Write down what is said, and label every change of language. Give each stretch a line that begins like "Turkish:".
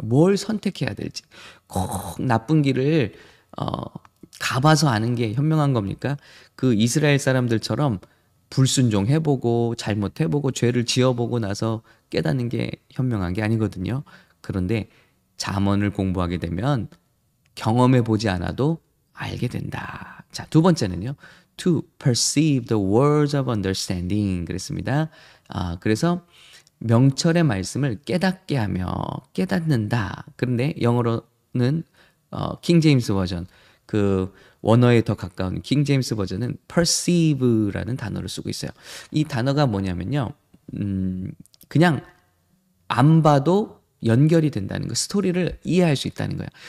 Korean: 뭘 선택해야 될지. 꼭 나쁜 길을 가봐서 아는 게 현명한 겁니까? 그 이스라엘 사람들처럼 불순종해보고 잘못해보고 죄를 지어보고 나서 깨닫는 게 현명한 게 아니거든요. 그런데 잠언을 공부하게 되면 경험해보지 않아도 알게 된다. 자, 두 번째는요.
English: To perceive the words of understanding.
Korean: 그랬습니다. 그래서 명철의 말씀을 깨닫게 하며 깨닫는다. 그런데 영어로는 킹 제임스 버전, 그 원어에 더 가까운 킹 제임스 버전은 perceive라는 단어를 쓰고 있어요. 이 단어가 뭐냐면요. 그냥 안 봐도 연결이 된다는 거, 스토리를 이해할 수 있다는 거야.